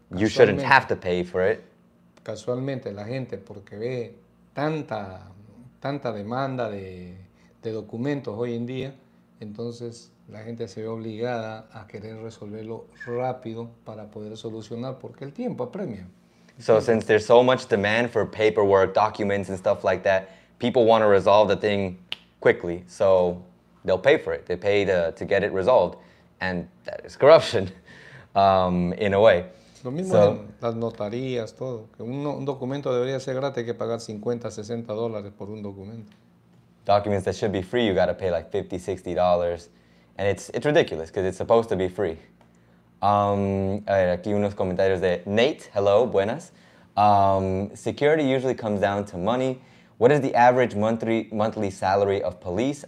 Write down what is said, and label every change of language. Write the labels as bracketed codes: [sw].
[en] you shouldn't have to pay for it. [es] Casualmente la gente, porque ve tanta demanda de documentos hoy en día, entonces la gente se ve obligada a querer resolverlo rápido para poder solucionar, porque el tiempo apremia. [en] So since there's so much demand for paperwork, documents and stuff like that, people want to resolve the thing quickly, so they'll pay for it. They pay to get it resolved, and that is corruption, in a way. [es] Lo mismo so, en las notarías, todo. Un documento debería ser gratis, hay que pagar 50, 60 dólares por un documento. [en] Documents that should be free, you got to pay like $50, $60. And it's ridiculous, because it's supposed to be free. [es] A ver, aquí unos comentarios de Nate. Hello, buenas. [en] Security usually comes down to money. What is the average monthly salary of police?